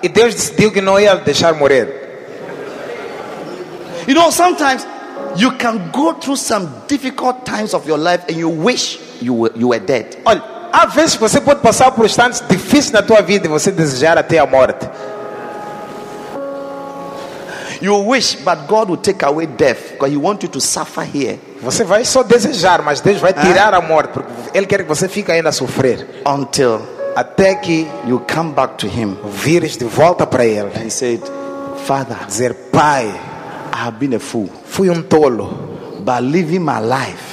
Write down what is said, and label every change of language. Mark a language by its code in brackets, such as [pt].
[pt] E Deus decidiu que não ia deixar morrer. [en] You know, sometimes you can go through some difficult times of your life and you wish you were dead. [pt] Olha, às vezes você pode passar por instantes difíceis na tua vida e você desejar até a morte. [en] You wish, but God will take away death because He wants you to suffer here. [pt] Você vai só desejar, mas Deus vai tirar a morte porque Ele quer que você fique ainda a sofrer. [en] Until [pt] até que [en] you come back to Him, [pt] vires de volta para Ele. [en] He said, Father, [pt] dizer Pai, [en] I have been a fool, [pt] fui tolo, [en] but living my life,